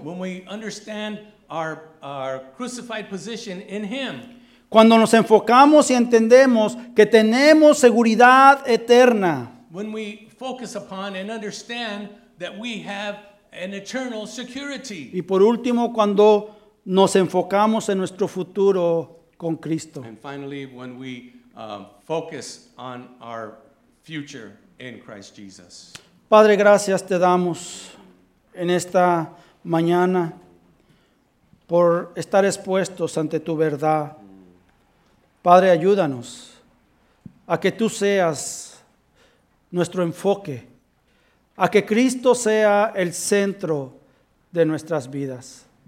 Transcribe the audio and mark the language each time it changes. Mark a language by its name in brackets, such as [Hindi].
[English] When we understand our crucified position in Him. [Spanish] Cuando nos enfocamos y entendemos que tenemos seguridad eterna. [English] When we focus upon and understand that we have an eternal security. [Spanish] Y por último, cuando nos enfocamos en nuestro futuro con Cristo. [English] And finally, when we focus on our future in Christ Jesus. [Spanish] Padre, gracias te damos en esta mañana por estar expuestos ante tu verdad. Padre, ayúdanos a que tú seas nuestro enfoque, a que Cristo sea el centro de nuestras vidas.